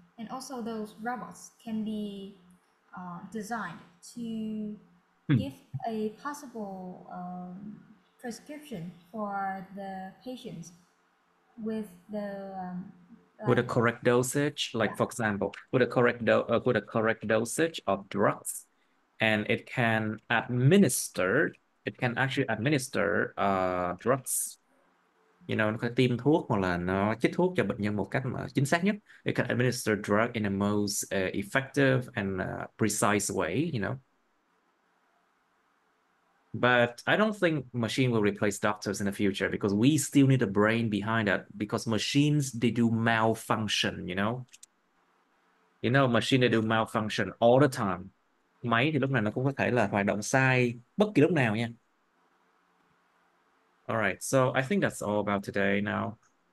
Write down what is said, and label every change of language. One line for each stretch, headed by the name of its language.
English: And also those robots can be designed to give a possible prescription for the patients with a correct dosage, like for example, with a correct dosage of drugs, and it can actually administer drugs. You know,
Vietnamese: nó có tiêm thuốc hoặc là nó chích thuốc cho bệnh nhân một cách mà chính xác nhất.
English: It can administer drug in the most effective and precise way, you know. But I don't think machine will replace doctors in the future because we still need a brain behind that because machines, they do malfunction, you know. You know, machine, they do malfunction all the time.
Vietnamese: Máy thì lúc nào nó cũng có thể là hoạt động sai bất kỳ lúc nào nha.
English: All right, so I think that's all about today now.